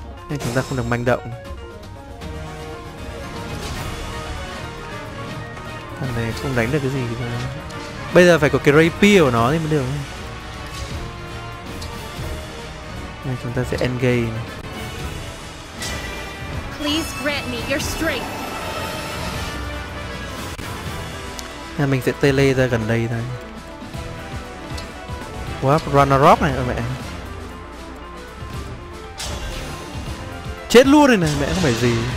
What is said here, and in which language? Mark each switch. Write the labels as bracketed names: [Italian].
[Vietnamese] Nên chúng ta không được manh động. Thằng này không đánh được cái gì nữa. Bây giờ phải có cái rapier của nó thì mới được. Nên chúng ta sẽ end game này. [English] Please grant me your strength. [Vietnamese] Nên mình sẽ tê lê ra gần đây thôi. Warp Runner-up này mẹ. Chết luôn rồi này mẹ, không phải gì.